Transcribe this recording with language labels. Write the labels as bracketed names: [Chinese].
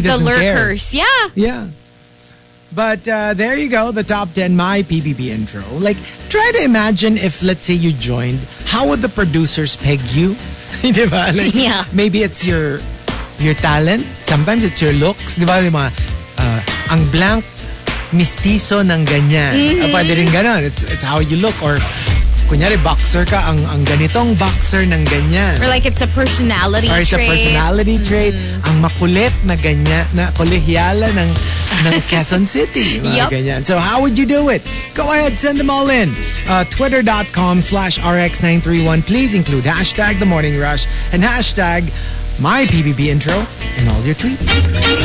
[English] the lurkers. Care. Yeah. Yeah. But there you go, the top 10 my PBB intro. Like, try to imagine if, let's say, you joined, how would the producers peg you? [Filipino] Diba? [English] Like, yeah. Maybe it's your talent. Sometimes it's your looks. [Filipino] Diba? Yung mga, ang blank, mistiso ng ganyan. Mm-hmm. Pwede rin ganun. [English] It's how you look. [Filipino] Or, kunyari, boxer ka, ang ganitong boxer ng ganyan. [English] Or like, it's a personality trait. Or it's trait. A personality trait. [Filipino] Mm-hmm. Ang makulit na ganyan, na kolehiyala ng Quezon City. [English] Yep. [Filipino] Ganyan. [English] So, how would you do it? Go ahead, send them all in. Twitter.com/RX931. Please include hashtag The Morning Rush and hashtag My PBB Intro in all your tweets.